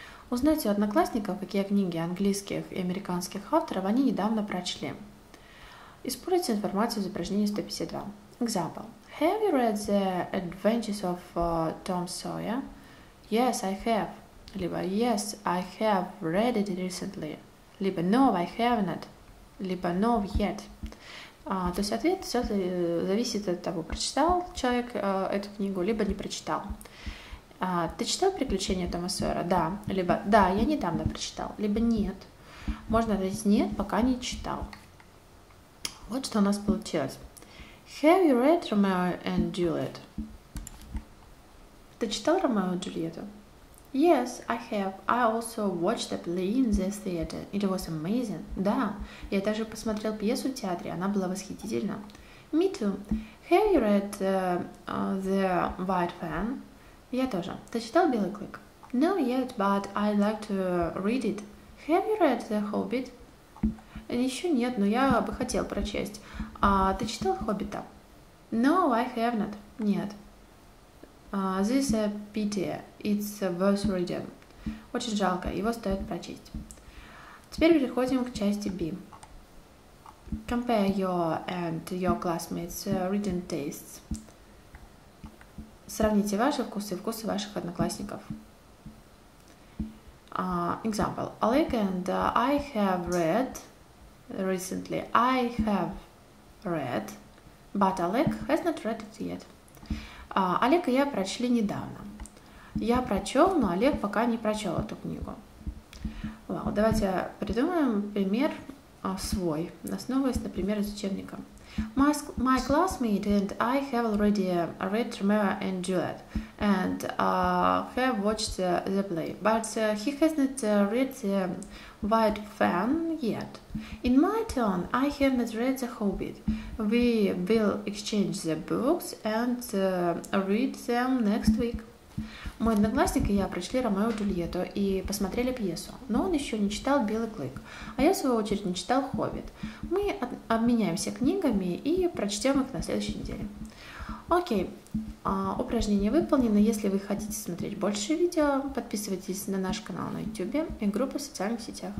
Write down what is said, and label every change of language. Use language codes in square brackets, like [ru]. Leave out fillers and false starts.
[ru] Узнайте у одноклассников, какие книги английских и американских авторов они недавно прочли. Используйте информацию из упражнения 152. [en] Example. Have you read The Adventures of Tom Sawyer? Yes, I have. Либо Yes, I have read it recently. Либо No, I have not. Либо No, yet. [ru] То есть ответ все зависит от того, прочитал человек эту книгу, либо не прочитал. Ты читал «Приключения Тома Сойера»? Да. Либо Да, я недавно прочитал. Либо Нет. Можно ответить Нет, пока не читал. Вот что у нас получилось. [en] Have you read Romeo and Juliet? [ru] Ты читал Ромео и Джульетту? [en] Yes, I have. I also watched the play in the theater. It was amazing. [ru] Да, я также посмотрел пьесу в театре. Она была восхитительна. [en] Me too. Have you read The White Fan? [ru] Я тоже. Ты читал Белый клык? [en] No yet, but I'd like to read it. Have you read The Hobbit? [ru] Еще нет, но я бы хотел прочесть. А ты читал Хоббита? [en] No, I have not. [ru] Нет. [en] This is a pity. It's worth reading. [ru] Очень жалко, его стоит прочесть. Теперь переходим к части B. [en] Compare your and your classmates' reading tastes. [ru] Сравните ваши вкусы и вкусы ваших одноклассников. [en] Example. Олег and I have read... Recently, I have read, but Олег has not read it yet. [ru] Олег и я прочли недавно. Я прочел, но Олег пока не прочел эту книгу. Well, давайте придумаем пример свой, основываясь, например, из учебника. [en] My classmate and I have already read Romeo and Juliet and have watched the play, but he hasn't read The White Fan yet. In my turn, I have not read The Hobbit. We will exchange the books and read them next week. [ru] Мой одноклассник и я прочли Ромео и Джульетту и посмотрели пьесу, но он еще не читал Белый клык, а я, в свою очередь, не читал Хоббит. Мы обменяемся книгами и прочтем их на следующей неделе. Окей, упражнение выполнено. Если вы хотите смотреть больше видео, подписывайтесь на наш канал на YouTube и группу в социальных сетях.